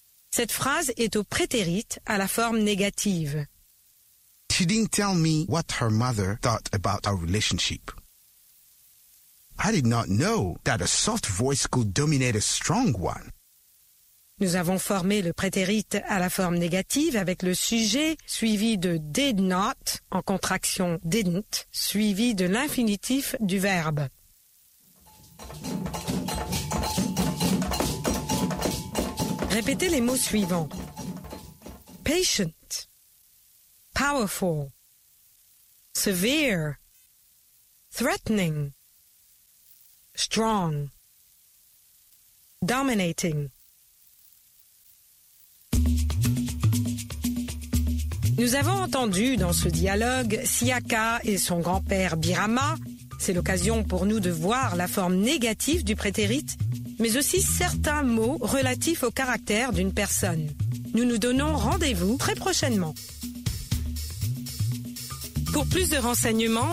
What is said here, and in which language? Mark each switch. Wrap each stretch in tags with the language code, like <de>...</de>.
<fr>Cette phrase est au prétérit à la forme négative.</fr> <en>She didn't tell me what her mother thought about our relationship. I did not know that a soft voice could dominate a strong one.</en> <fr>Nous avons formé le prétérit à la forme négative avec le sujet suivi de did not en contraction didn't suivi de l'infinitif du verbe. Répétez les mots suivants.</fr> <en>Patient, powerful, severe, threatening, strong, dominating.</en> <fr>Nous avons entendu dans ce dialogue Siaka et son grand-père Birama. C'est l'occasion pour nous de voir la forme négative du prétérit, mais aussi certains mots relatifs au caractère d'une personne. Nous nous donnons rendez-vous très prochainement. Pour plus de renseignements,</fr>